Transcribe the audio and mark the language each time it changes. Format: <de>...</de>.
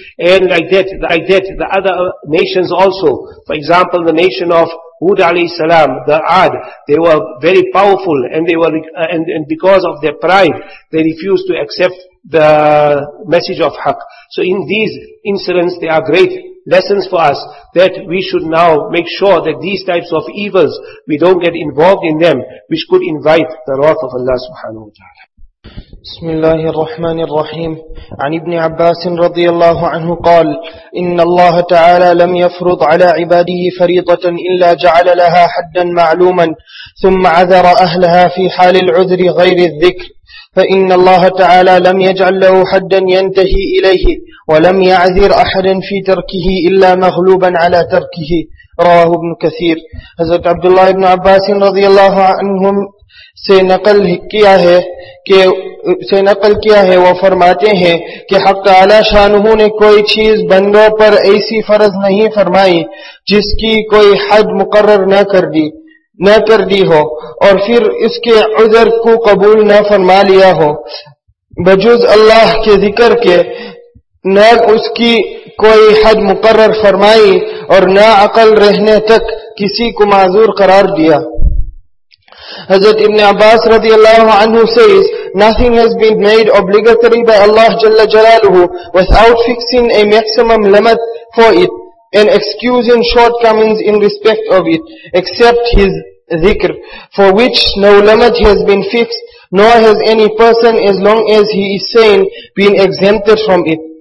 <en>And like that, the other nations also, for example, the nation of Hud alayhi salam, the Ad, they were very powerful, and they were and because of their pride, they refused to accept the message of Haqq. So in these incidents, they are great lessons for us, that we should now make sure that these types of evils, we don't get involved in them, which could invite the wrath of Allah subhanahu wa ta'ala.</en> <ar>بسم الله الرحمن الرحيم. عن ابن عباس رضي الله عنه قال: إن الله تعالى لم يفرض على عباده فريضة إلا جعل لها حدا معلوما، ثم عذر أهلها في حال العذر غير الذكر. فإن الله تعالى لم يجعل له حدا ينتهي إليه، ولم يعذر أحدا في تركه إلا مغلوبا على تركه. رواه ابن كثير.</ar> <ur>حضرت عبد الله بن عباس رضي الله عنهم سے نقل کیا ہے وہ فرماتے ہیں کہ حق تعالی شانہو نے کوئی چیز بندوں پر ایسی فرض نہیں فرمائی جس کی کوئی حد مقرر نہ کر دی ہو اور پھر اس کے عذر کو قبول نہ فرما لیا ہو، بجز اللہ کے ذکر کے نہ اس کی کوئی حد مقرر فرمائی اور نہ عقل رہنے تک کسی کو معذور قرار دیا.</ur> <en>Hazrat Ibn Abbas radiallahu anhu says, nothing has been made obligatory by Allah Jalla Jalaluhu without fixing a maximum limit for it and excusing shortcomings in respect of it, except his dhikr, for which no limit has been fixed, nor has any person, as long as he is sane, been exempted from it.</en>